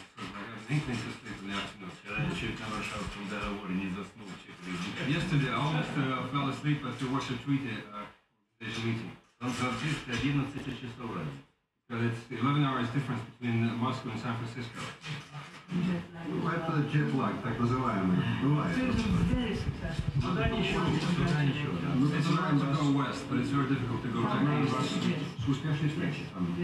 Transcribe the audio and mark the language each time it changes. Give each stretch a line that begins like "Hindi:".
English: I have anything to sleep in the afternoon. Yesterday, I almost fell asleep at the Russian treaty meeting. Because it's 11 hours difference between Moscow and San Francisco. Why
Russian: это jet lag, так называемый. Бывает. Туда ничего, туда ничего.
English: It's hard to go west, but it's very difficult to go to the